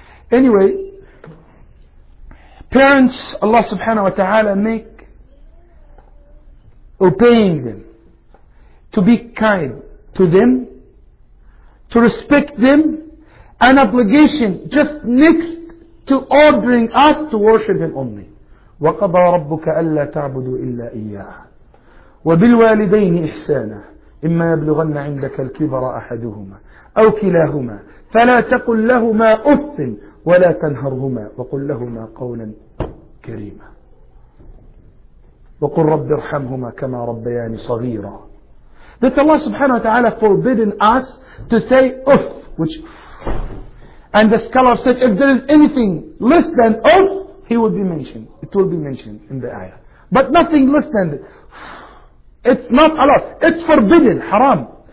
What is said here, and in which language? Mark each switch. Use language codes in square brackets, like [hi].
[en] Anyway, parents, Allah subhanahu wa ta'ala make obeying them, to be kind to them, to respect them, an obligation just next to ordering us to worship Him only. [ar] وَقَضَى رَبُّكَ أَلَّا تَعْبُدُوا إِلَّا إِيَّاهُ وبالوالدين إحسانا إما يبلغن عندك الكبر أحدهما أو كلاهما فلا تقل لهما أف ولا تنهرهما وقل لهما قولا كريما وقل رب ارحمهما كما ربياني صغيرا. [en] That Allah subhanahu wa ta'ala forbidden us to say أف, which and the scholar said if there is anything less than أف he will be mentioned, it will be mentioned in the ayah, but nothing less than it. It's not allowed. It's forbidden. Haram.